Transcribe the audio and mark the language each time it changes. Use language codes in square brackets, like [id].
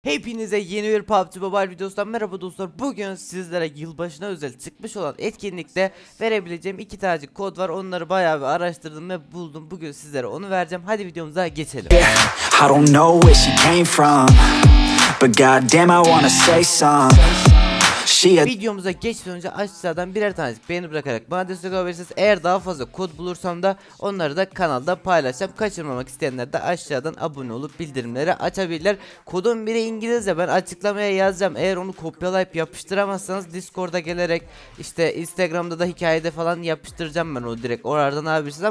[tr] Hepinize yeni bir PUBG Mobile videosundan merhaba dostlar. Bugün sizlere yılbaşına özel çıkmış olan etkinlikte verebileceğim iki tane kod var. Onları bayağı bir araştırdım ve buldum. Bugün sizlere onu vereceğim. Hadi videomuza geçelim. [en] I don't know where she came from, but god damn I wanna say some. [tr] Videomuza geçmeden önce aşağıdan birer tanecik beğeni bırakarak bana destek olabilirsiniz. Eğer daha fazla kod bulursam da onları da kanalda paylaşacağım. Kaçırmamak isteyenler de aşağıdan abone olup bildirimleri açabilirler. Kodun biri İngilizce, ben açıklamaya yazacağım. Eğer onu kopyalayıp yapıştıramazsanız Discord'a gelerek işte Instagram'da da hikayede falan yapıştıracağım ben onu direkt oradan alabilirsiniz.